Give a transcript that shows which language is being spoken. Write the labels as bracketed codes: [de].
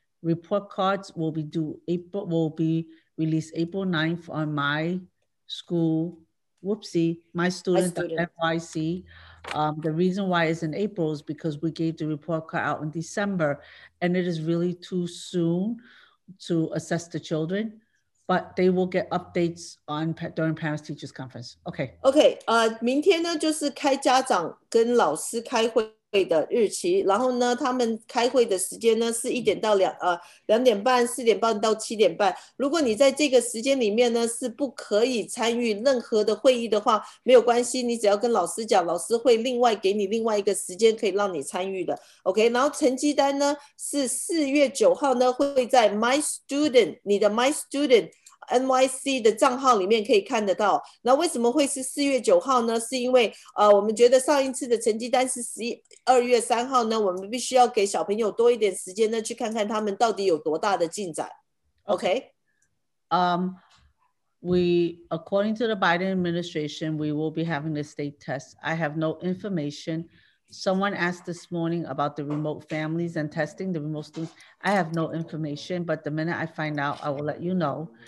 [en] Report cards will be released April 9th on my school, my student.nyc. The reason why it's in April is because we gave the report card out in December and it is really too soon to assess the children. But they will get updates on during parents teachers conference. Okay. Okay. [zh] 明天呢就是开家长跟老师开会的日期，然后呢他们开会的时间呢是一点到两两点半、四点半到七点半。如果你在这个时间里面呢是不可以参与任何的会议的话，没有关系，你只要跟老师讲，老师会另外给你另外一个时间可以让你参与的。 Okay. 然后成绩单呢是4月9号呢会在 My Student 你的 My Student。 NYC 的账号里面可以看得到。那为什么会是4月9号呢？是因为我们觉得上一次的成绩单是12月3号呢，我们必须要给小朋友多一点时间呢去看看他们到底有多大的进展。 [en] OK, We according to the Biden administration, we will be having the state test. I have no information. Someone asked this morning about the remote families and testing the remote students. I have no information, but the minute I find out, I will let you know.